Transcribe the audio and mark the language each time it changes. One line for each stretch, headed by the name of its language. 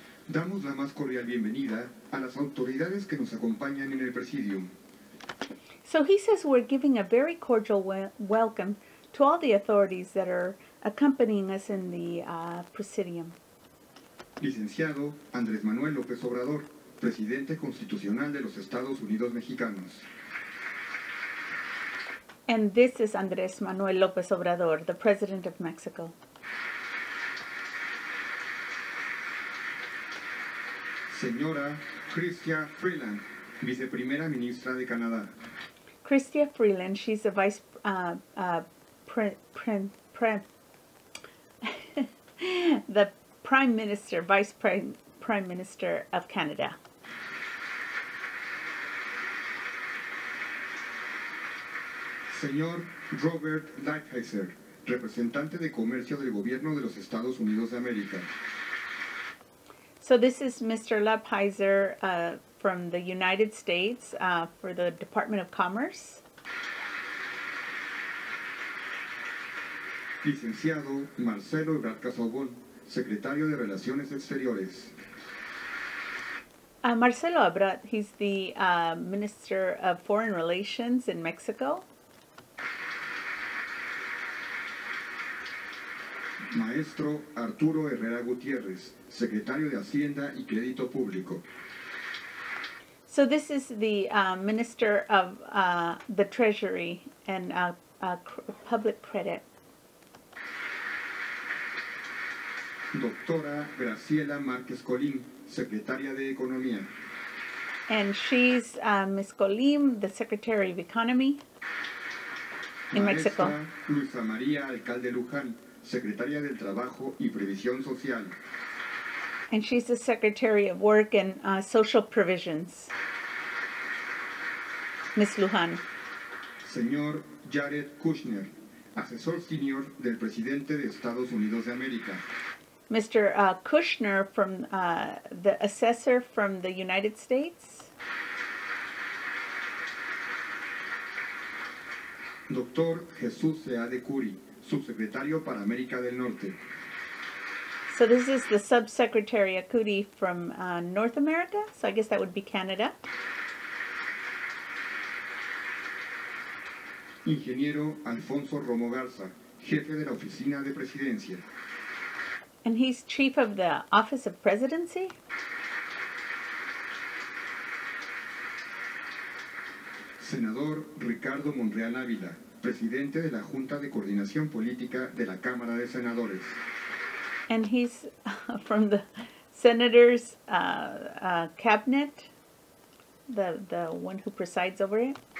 Spanish: Damos la más cordial bienvenida a las autoridades que nos acompañan en el presidium.
English: So he says we're giving a very cordial welcome to all the authorities that are accompanying us in the presidium.
Spanish: Licenciado Andrés Manuel López Obrador, presidente constitucional de los Estados Unidos Mexicanos.
English: And this is Andrés Manuel López Obrador, the president of Mexico.
Spanish: Señora Chrystia Freeland, viceprimera ministra de Canadá.
English: Chrystia Freeland, she's the vice the prime minister, vice prime minister of Canada.
Spanish: Señor Robert Lighthizer, representante de comercio del gobierno de los Estados Unidos de América.
English: So this is Mr. Lighthizer from the United States for the Department of Commerce.
Spanish: Licenciado Marcelo Ebrard Casaubon, Secretario de Relaciones Exteriores.
English: Marcelo Ebrard, he's the Minister of Foreign Relations in Mexico.
Spanish: Maestro Arturo Herrera Gutiérrez, Secretario de Hacienda y Crédito Público.
English: So this is the Minister of the Treasury and Public Credit.
Spanish: Doctora Graciela Márquez Colín, Secretaria de Economía.
English: And she's Ms. Colín, the Secretary of Economy in Mexico.
Spanish: Maestra Luisa María Alcalde Luján, Secretaria del Trabajo y Previsión Social.
English: And she's the Secretary of Work and Social Provisions, Ms. Luján.
Spanish: Señor Jared Kushner, Asesor Senior del Presidente de Estados Unidos de América.
English: Mr. Kushner, from the Assessor from the United States.
Spanish: Doctor Jesús Seade Curi, Subsecretario para América del Norte.
English: So this is the Subsecretary Acuti from North America, so I guess that would be Canada.
Spanish: Ingeniero Alfonso Romo Garza, Jefe de la Oficina de Presidencia.
English: And he's Chief of the Office of Presidency.
Spanish: Senador Ricardo Monreal Ávila, Presidente de la Junta de Coordinación Política de la Cámara de Senadores.
English: And he's from the Senator's cabinet, the one who presides over it.